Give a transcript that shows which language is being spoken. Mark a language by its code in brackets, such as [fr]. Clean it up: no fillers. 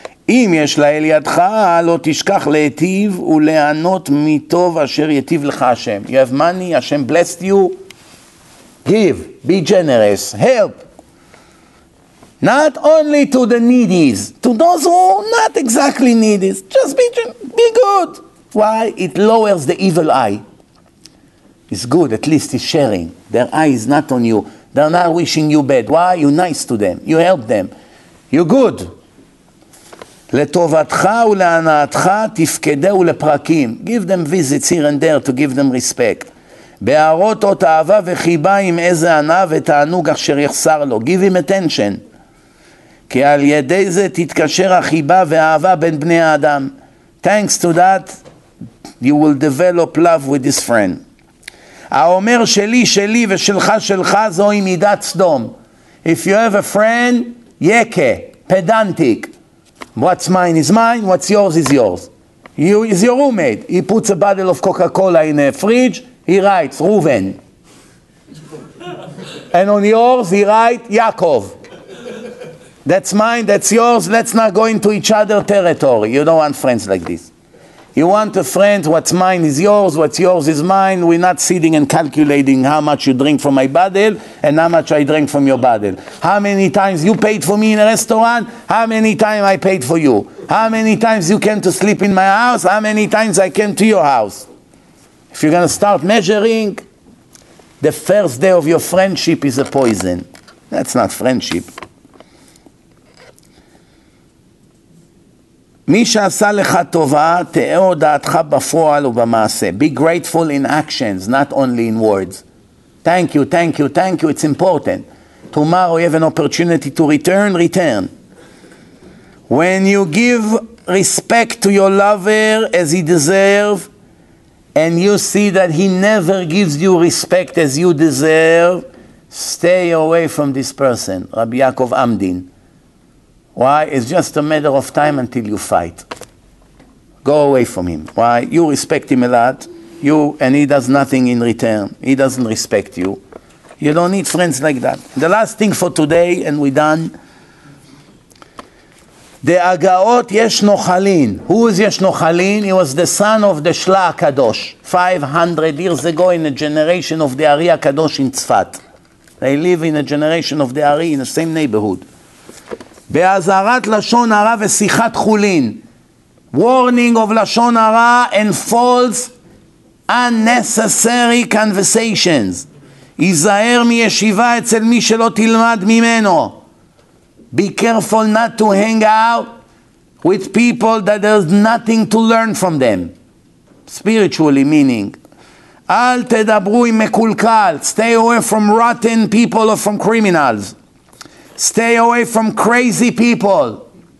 [he] אם יש לאל ידך, לא תשכח להטיב ולענות מטוב אשר יטיב לך השם. [en] You have money, השם blessed you. Give, be generous, help. Not only to the needies, to those who are not exactly needies. Just be good. Why? It lowers the evil eye. It's good, at least it's sharing. Their eye is not on you. They're not wishing you bad. Why? You're nice to them. You help them. You're good. [he] לטובתך ולהנאתך תפקדו לפרקים. [en] Give them visits here and there to give them respect. [he] בהראות אות אהבה וחיבה עם איזה ענה ותענוג אשר יחסר לו. [en] Give him attention. [he] כי על ידי זה תתקשר החיבה והאהבה בין בני האדם. [en] Thanks to that, you will develop love with this friend. [he] האומר שלי, שלי ושלך, שלך, זו היא מידת סדום. [en] If you have a friend, יקה, pedantic. What's mine is mine, what's yours is yours. You is your roommate. He puts a bottle of Coca-Cola in a fridge, he writes, Reuven. And on yours, he writes, Yaakov. That's mine, that's yours, let's not go into each other's territory. You don't want friends like this. You want a friend, what's mine is yours, what's yours is mine. We're not sitting and calculating how much you drink from my bottle and how much I drink from your bottle. How many times you paid for me in a restaurant? How many times I paid for you? How many times you came to sleep in my house? How many times I came to your house? If you're going to start measuring, the first day of your friendship is a poison. That's not friendship. [he] מי שעשה לך טובה, תאה הודעתך בפועל ובמעשה. [en] Be grateful in actions, not only in words. Thank you, thank you, thank you, it's important. Tomorrow you have an opportunity to return, return. When you give respect to your lover as he deserves, and you see that he never gives you respect as you deserve, stay away from this person. Rabbi Yaakov Amdin. Why? It's just a matter of time until you fight. Go away from him. Why? You respect him a lot. You, and he does nothing in return. He doesn't respect you. You don't need friends like that. The last thing for today, and we're done. The Agaot Yesh Nochalin. Who is Yesh Nochalin? He was the son of the Shla HaKadosh. 500 years ago in a generation of the Ari HaKadosh in Tzfat. They live in a generation of the Ari in the same neighborhood. [he] בעזרת לשון הרע ושיחת חולין. [en] Warning of לשון הרע and false unnecessary conversations. [he] היזהר מישיבה אצל מי שלא תלמד ממנו. [en] Be careful not to hang out with people that there's nothing to learn from them. Spiritually meaning. [he] אל תדברו עם מקולקל. [en] Stay away from rotten people or from criminals. Stay away from crazy people.